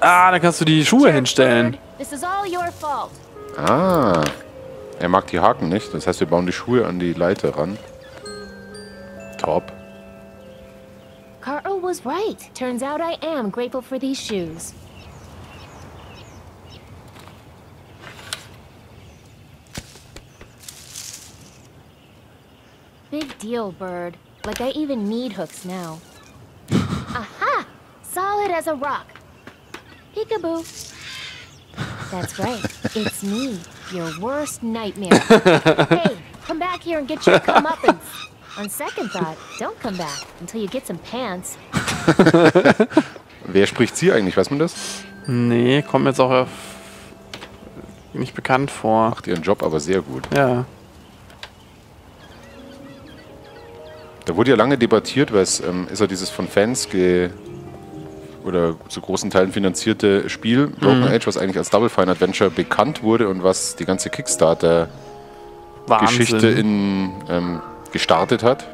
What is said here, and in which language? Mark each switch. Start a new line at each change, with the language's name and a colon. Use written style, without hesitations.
German: Ah, dann kannst du die Schuhe hinstellen.
English: This is all your fault.
German: Ah. Er mag die Haken nicht. Das heißt, wir bauen die Schuhe an die Leiter ran. Top.
English: Carl was right. Turns out I am grateful for these shoes. Big deal, Bird. Like, I even need hooks now. Aha! Solid as a rock. Peekaboo. That's right. It's me, your worst nightmare. Hey, come back here and get your comeuppance. On second thought, don't come back until you get some pants.
German: Wer spricht sie eigentlich? Weiß man das? Nee, kommt mir jetzt auch nicht bekannt vor. Macht ihren Job aber sehr gut. Ja. Da wurde ja lange debattiert, weil es ist ja dieses von Fans oder zu großen Teilen finanzierte Spiel Broken Age, was eigentlich als Double Fine Adventure bekannt wurde und was die ganze Kickstarter-Geschichte gestartet hat.